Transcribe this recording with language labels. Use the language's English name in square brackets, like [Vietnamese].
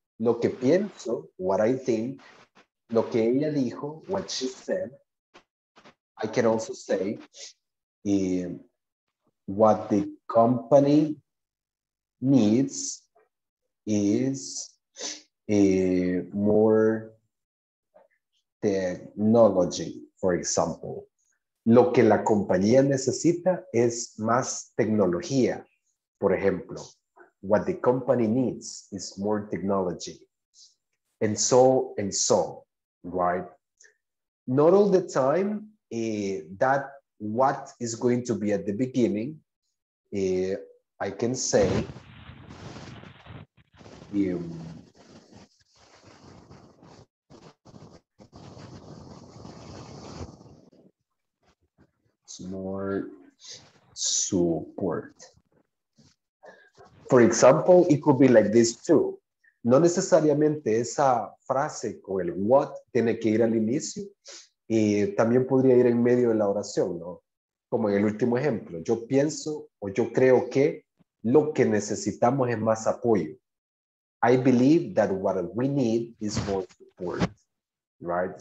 [Spanish] Lo que pienso, [English] what I think, [Spanish] lo que ella dijo, [English] what she said, I can also say, what the company needs is more technology, for example. [Spanish] Lo que la compañía necesita es más tecnología, por ejemplo. [English] What the company needs is more technology. And so, right? Not all the time that what is going to be at the beginning, I can say, more support. For example, it could be like this too. [Spanish] No necesariamente esa frase con el what tiene que ir al inicio, y también podría ir en medio de la oración, ¿no? Como en el último ejemplo, yo pienso o yo creo que lo que necesitamos es más apoyo. [English] I believe that what we need is more support, right?